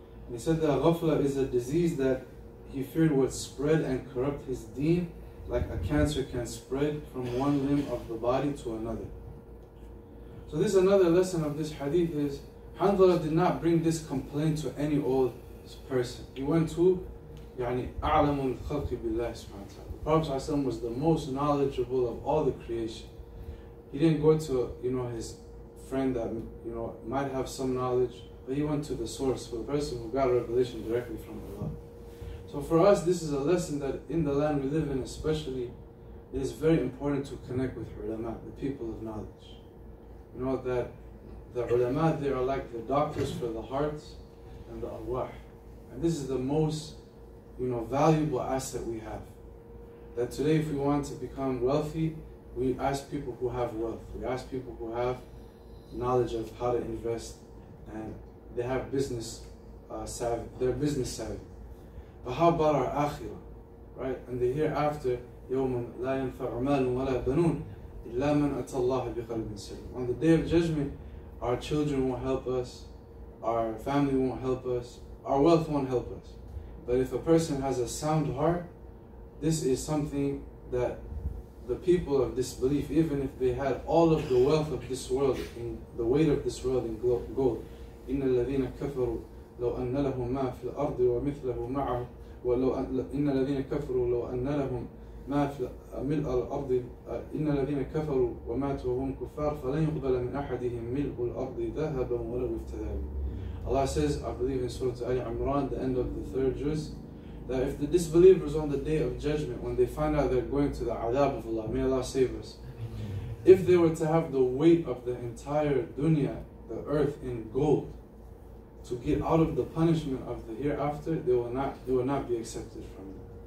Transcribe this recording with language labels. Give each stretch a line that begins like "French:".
English: He said that ghafla is a disease that he feared would spread and corrupt his deen, like a cancer can spread from one limb of the body to another. So this is another lesson of this hadith, is Hamdala did not bring this complaint to any old person. He went to
Arabic: يعني أعلم الخلق بالله سبحانه وتعالى.
English: The Prophet ﷺ was the most knowledgeable of all the creation. He didn't go to, you know, his friend that, you know, might have some knowledge, but he went to the source, for the person who got revelation directly from Allah. So for us, this is a lesson that in the land we live in especially, it is very important to connect with ulama, the people of knowledge. You know that the ulama, they are like the doctors for the hearts and the arwah. And this is the most, you know, valuable asset we have. That today if we want to become wealthy, we ask people who have wealth. We ask people who have knowledge of how to invest, and they have business savvy, they're business savvy. But how about our akhirah, right? And the hereafter,
Arabic: يَوْمَ لَا يَنْفَعُ مَالٌ وَلَا بَنُونَ إِلَّا مَنْ أَتَى اللَّهَ بِقَلْبٍ سَلِيمٍ.
English: On the Day of Judgment, our children won't help us, our family won't help us, our wealth won't help us. But if a person has a sound heart, this is something that the people of disbelief, even if they had all of the wealth of this world, in the weight of this world in gold,
Arabic: إِنَّ الَّذِينَ كَفَرُوا لو أن لهم ما في الأرض ومثله معه ولو أن الذين كفروا لو أن لهم ما في ملء الأرض إن الذين كفروا وماتوا وهم كفار فلن يقبل من أحدهم ملء الأرض ذهبا ولو افتدى به.
English: Allah says, I believe in Surah Ali Imran, the end of the third juz, that if the disbelievers on the Day of Judgment, when they find out they're going to the Adab of Allah, may Allah save us, if they were to have the weight of the entire dunya, the earth in gold, to get out of the punishment of the hereafter, they will not be accepted from them.